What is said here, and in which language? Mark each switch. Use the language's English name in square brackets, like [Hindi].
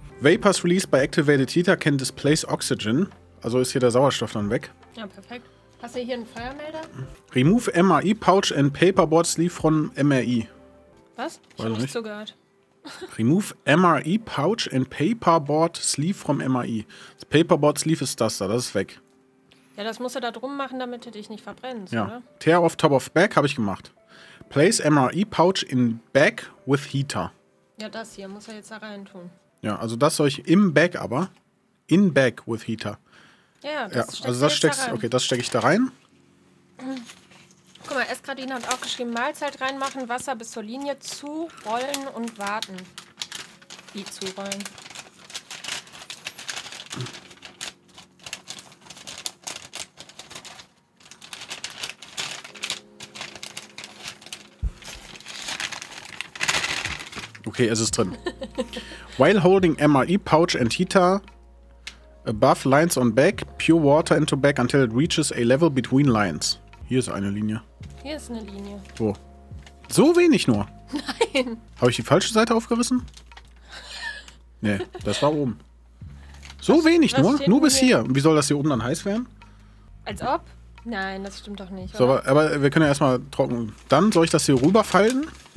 [English] Vapors released by activated heater can displace oxygen. [German] Also ist hier der Sauerstoff dann weg. Ja, perfekt. Hast du hier einen Feuermelder? [English] Remove MRI pouch and paperboard sleeve from MRI. [German] Was? Ich hab nicht so gehört. [English] Remove MRI pouch and paperboard sleeve from MRI. [German] Das [English] Paperboard sleeve [German] ist das da, das ist weg. Ja, das musst du da drum machen, damit du dich nicht verbrennst, ja, oder? [English] Tear off top of bag [German] habe ich gemacht. [English] Place MRI pouch in bag with heater. [German] Ja, das hier muss er jetzt da rein tun. Ja, also das soll ich im Bag aber. [English] In bag with heater. [German] Ja, das, ja, steckst also das du steckst, da rein. Okay, das stecke ich da rein. Guck mal, Eskradin hat auch geschrieben, Mahlzeit reinmachen, Wasser bis zur Linie zurollen und warten. Wie zurollen? Okay, es ist drin. [English] While holding MRI pouch and heater above lines on back, pure water into back until it reaches a level between lines. [German] Hier ist eine Linie. Hier ist eine Linie. Wo? So wenig nur? Nein. Habe ich die falsche Seite aufgerissen? Nee, das war oben. So was, wenig was nur? Nur bis hier. Und wie soll das hier oben dann heiß werden? Als ob? Nein, das stimmt doch nicht. So, aber wir können ja erstmal trocken. Dann soll ich das hier rüberfalten?